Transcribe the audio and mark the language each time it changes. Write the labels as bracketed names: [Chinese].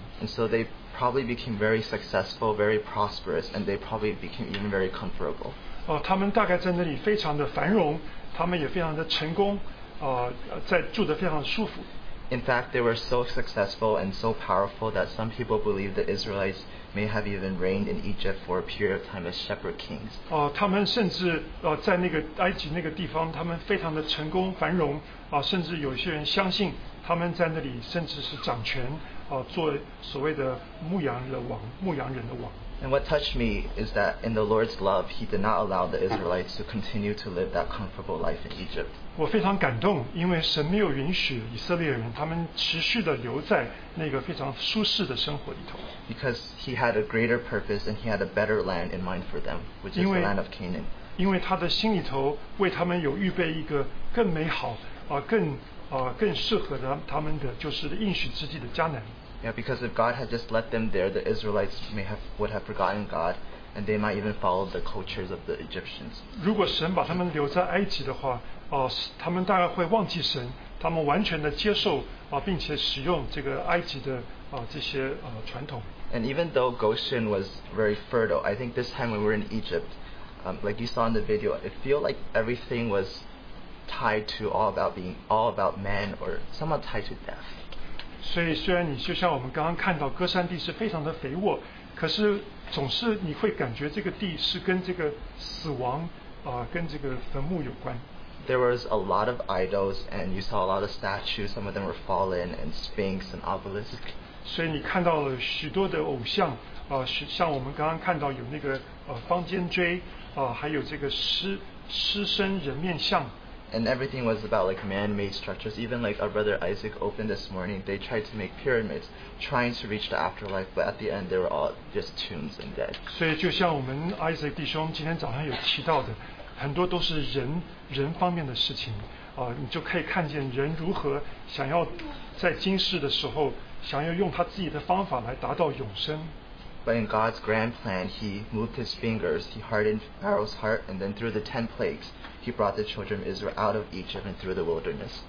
[English] And so they probably became very successful, very prosperous, and they probably became even very comfortable. [Chinese] 他们大概在那里非常的繁荣，他们也非常的成功，在住得非常舒服。 [English] In fact, they were so successful and so powerful that some people believe the Israelites may have even reigned in Egypt for a period of time as shepherd kings. [Chinese] 他们甚至在那个埃及那个地方，他们非常的成功繁荣，甚至有些人相信他们在那里甚至是掌权，做所谓的牧羊的王，牧羊人的王。 [English] And what touched me is that in the Lord's love, He did not allow the Israelites to continue to live that comfortable life in Egypt. [Chinese] 我非常感动，因为神没有允许以色列人他们持续地留在那个非常舒适的生活里头。 [English] Because He had a greater purpose and He had a better land in mind for them, which is the land of Canaan. [Chinese] 因为他的心里头为他们有预备一个更美好，更适合他们的，就是应许之地的迦南。 [English] Yeah, because if God had just let them there, the Israelites would have forgotten God, and they might even follow the cultures of the Egyptians. [Chinese] 如果神把他们留在埃及的话，他们大概会忘记神，他们完全的接受并且使用这个埃及的这些传统。 [English] And even though Goshen was very fertile, I think this time when we were in Egypt, like you saw in the video, it felt like everything was tied to all about man or somehow tied to death. [Chinese] 所以虽然你就像我们刚刚看到歌山地是非常的肥沃，可是总是你会感觉这个地是跟这个死亡跟这个坟墓有关。 [English] There was a lot of idols, and you saw a lot of statues. Some of them were fallen, and sphinx and obelisk. [Chinese] 所以你看到了许多的偶像，像我们刚刚看到有那个方尖锥，还有这个狮身人面像。 [English] And everything was about like man-made structures. Even like our brother Isaac opened this morning, they tried to make pyramids, trying to reach the afterlife, but at the end, they were all just tombs and dead. [Chinese] 所以就像我们 Isaac 弟兄今天早上有提到的。很多都是人方面的事情，你就可以看见人如何想要在今世的时候，想要用他自己的方法来达到永生。 [English] But in God's grand plan, He moved His fingers, He hardened Pharaoh's heart, and then through the 10 plagues, He brought the children of Israel out of Egypt and through the wilderness.